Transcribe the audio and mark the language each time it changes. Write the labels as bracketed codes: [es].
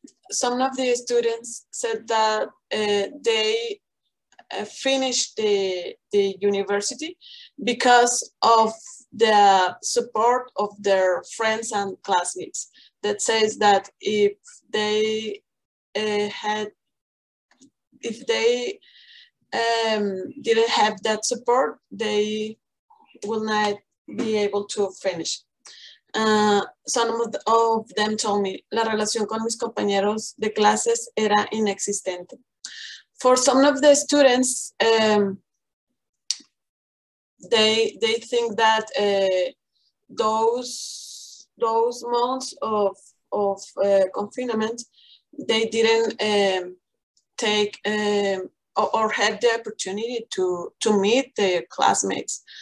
[en] Some of the students said that they finished the university because of the support of their friends and classmates. That says that if they didn't have that support, they will not be able to finish. Some of them told me, [es] la relación con mis compañeros de clases era inexistente. [en] For some of the students, they think that those months of confinement, they didn't take or have the opportunity to meet their classmates.